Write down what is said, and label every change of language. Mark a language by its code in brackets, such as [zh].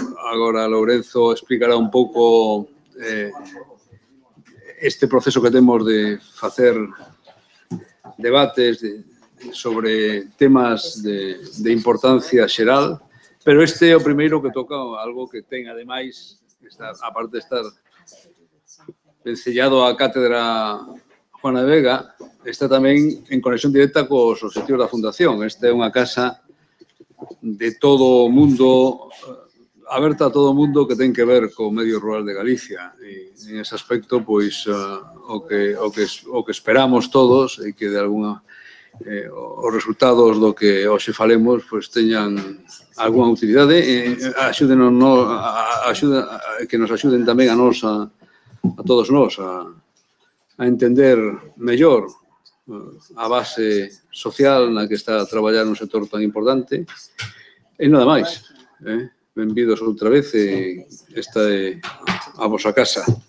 [es] Ahora Lorenzo explicará un poco este proceso que tenemos de hacer debates sobre temas de importancia xeral. [gl] Pero este é o primeiro que toca algo que ten, ademais, aparte de estar encellado á Cátedra Juana de Vega, está tamén en conexión directa cos objetivos da Fundación. Esta é unha casa de todo o mundo, aberta a todo o mundo que ten que ver co medio rural de Galicia. E, en ese aspecto, pois, o que esperamos todos e que, de alguna os resultados do que hoxe falemos pois teñan algunha utilidade e que nos axuden tamén a todos nós a entender mellor a base social na que está a traballar un sector tan importante e nada máis. Benvidos outra vez e esta é a vosa casa.